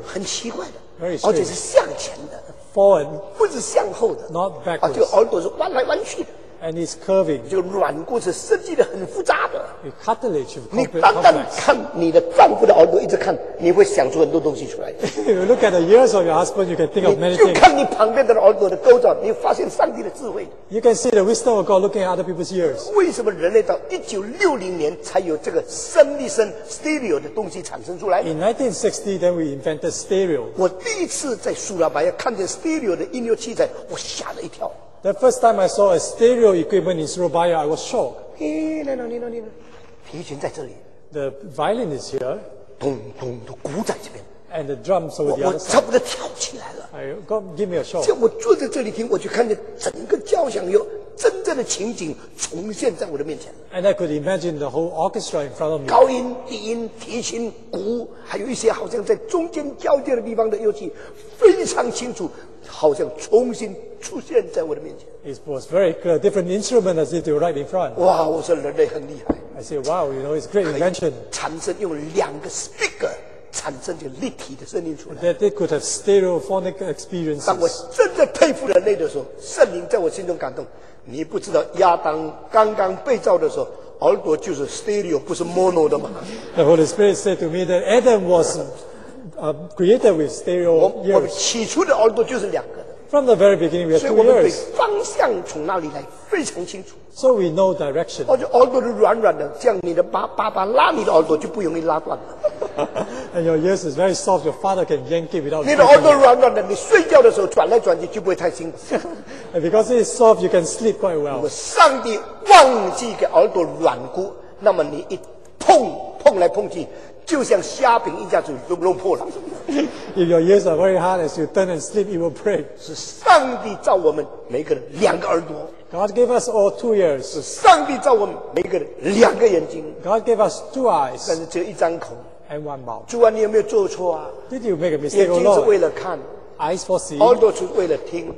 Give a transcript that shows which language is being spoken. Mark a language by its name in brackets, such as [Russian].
[Chinese] 很奇怪的。 [English] Very strange. [Chinese] 而且是向前的。 [English] Forward. [Chinese] 不是向后的。 [English] Not backwards. [Chinese] 这个耳朵是弯来弯去的。 [English] And it's curving. [Chinese] 这个软骨是设计的很复杂的。 [English] The cartilage. [Chinese] 你单单看你的丈夫的耳朵，一直看，你会想出很多东西出来。 [English] You look at the ears of your husband, you can think of many things. [Chinese] 你就看你旁边的耳朵的构造，你发现上帝的智慧。 [English] You can see the wisdom of God looking at other people's ears. [Chinese] 为什么人类到1960年才有这个声呐声 stereo 的东西产生出来 [English] ？In 1960, then we invented stereo. [Chinese] 我第一次在苏拉巴亚看见 stereo 的音乐器材，我吓了一跳。 [English] The first time I saw a stereo equipment in Surabaya, I was shocked. No. [Chinese] 提琴在这里。 [English] The violin is here. [Chinese] 咚咚的鼓在这边。 [English] And the drums over the other side. [Chinese] 我差不多跳起来了。 [English] Give me a shock. [Chinese] 这我坐在这里听，我就看见整个交响乐真正的情景重现在我的面前。 [English] And I could imagine the whole orchestra in front of me. [Chinese] 高音、低音、提琴、鼓，还有一些好像在中间交界的地方的乐器，非常清楚。好像重新出现在我的面前。 [English] It was very clear, different instrument as if they were right in front. [Chinese] 哇，我说人类很厉害。 [English] I say, wow, you know, it's great invention. [Chinese] 产生用两个 speaker 产生这个立体的声音出来。 [English] That they could have stereophonic experiences. [Chinese] 当我真的佩服人类的时候，圣灵在我心中感动。你不知道亚当刚刚被造的时候。耳朵就是 stereo, 不是 mono 的嘛。 [English] The Holy Spirit said to me that Adam was created with stereo ears. [Chinese] 我起初的耳朵就是两个的。 [English] From the very beginning, we had two ears. [Chinese] 所以我们对方向从那里来非常清楚。 [English] So we know direction. [Chinese] 而且耳朵是软软的，像你的爸爸拉你的耳朵就不容易拉断了。 [English] And your ears is very soft. Your father can yank it without. [Chinese] 你的耳朵软软的，你睡觉的时候转来转去就不会太辛苦。 [English] And because it is soft, you can sleep quite well. [Chinese] 上帝忘记给耳朵软骨，那么你一碰碰来碰去。就像虾饼一下子就弄破了。 [English] If your ears are very hard, as you turn and sleep, it will break. [Chinese] 是上帝造我们每个人两个耳朵。 [English] God gave us all two ears. [Chinese] 是上帝造我们每个人两个眼睛。 [English] God gave us two eyes. [Chinese] 但是只有一张口。 [English] And one mouth. [Chinese] 主啊，你有没有做错啊 [English] ？Did you make a mistake, Lord? [Chinese] 眼睛是为了看。 [English] Eyes for seeing. [Chinese] 耳朵是为了听。